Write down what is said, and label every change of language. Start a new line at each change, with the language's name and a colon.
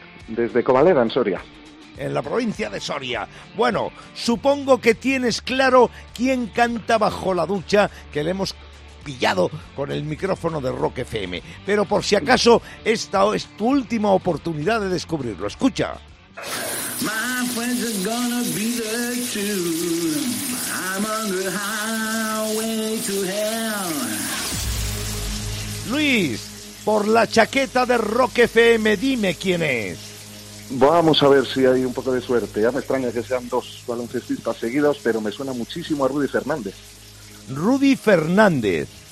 Spanish: Desde Covaleda, en Soria. En la provincia de Soria. Bueno, supongo que tienes claro quién canta bajo la ducha, que le hemos pillado con el micrófono de Rock FM. Pero por si acaso, esta es tu última oportunidad de descubrirlo. Escucha.
English: My friends are gonna be there too. I'm on the highway to hell.
Spanish: Luis, por la chaqueta de Rock FM, dime quién es. Vamos a ver si hay un poco de suerte. Ya me extraña que sean dos baloncestistas seguidos, pero me suena muchísimo a Rudy Fernández. Rudy Fernández.